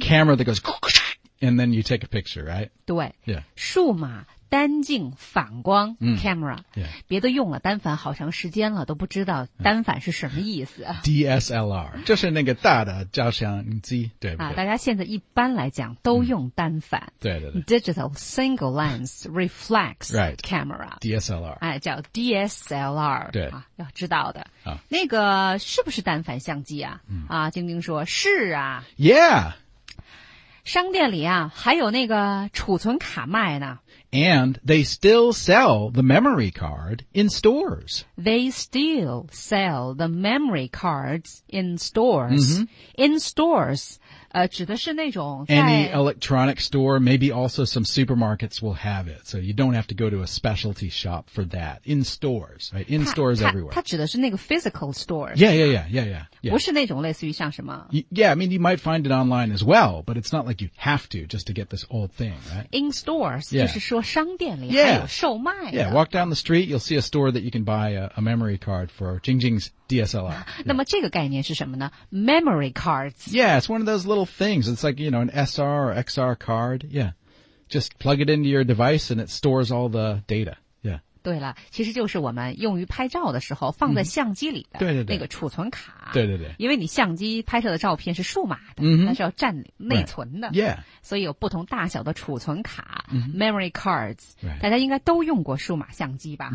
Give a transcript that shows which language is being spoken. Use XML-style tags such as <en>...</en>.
<en>That camera that goes, and then you take a picture, right?</en> <zh>对。</zh> <en>Yeah.</en> <zh>数码单镜反光、camera、</zh> <en>yeah.</en> <zh>别的用了单反好长时间了都不知道单反是什么意思、 DSLR 就是那个大的照相机对不对、大家现在一般来讲都用单反、对</zh> <en>Digital Single Lens Reflex Camera DSLR</en> <zh>哎，叫 DSLR 对、要知道的、那个是不是单反相机啊、晶晶说是啊</zh> <en>Yeah</en> <zh>商店里啊还有那个储存卡卖呢</zh> <en>And they still sell the memory card in stores. They still sell the memory cards in stores.、In stores,</en> <zh>指的是那种在</zh> <en>Any electronic store, maybe also some supermarkets will have it. So you don't have to go to a specialty shop for that. In stores, right? In stores everywhere.</en> <zh>它指的是那个</zh> <en>physical store. Yeah.</en> <zh>不是那种类似于像什么</zh> <en>Yeah, I mean, you might find it online as well, but it's not like you have to just to get this old thing, right? In stores,、 yeah.</en> <zh>就是说商店里还有售卖的。</zh> <en>Yeah, walk down the street, you'll see a store that you can buy a memory card for Jing Jing's DSLR.</en> <zh>那么这个概念是什么呢 ?</zh> <en>Memory cards. Yeah, it's one of those little things. It's like, you know, an SR or XR card. Yeah. Just plug it into your device and it stores all the data. Yeah.</en> <zh>对了其实就是我们用于拍照的时候放在相机里的那个储存卡。对。因为你相机拍摄的照片是数码的它是要占内存的。</zh> <en>Right. Yeah.</en> <zh>所以有不同大小的储存卡、,</zh> <en>memory cards,、</en> <zh>大家应该都用过数码相机吧</zh>